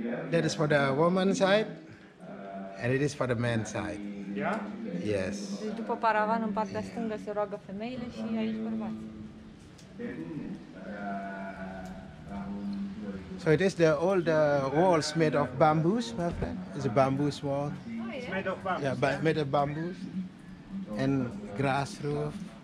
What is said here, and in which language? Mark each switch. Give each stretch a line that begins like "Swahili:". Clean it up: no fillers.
English: That is for the woman's side, and it is for the man's side. Yeah? Yes.
Romanian: Deci după paravan, în partea stângă, se roagă femeile și aici bărbați.
English: So it is the old walls made of bamboos, my friend. It's a bamboo wall. Oh, yeah. It's made of bamboos. Yeah, made of bamboos and grass roof.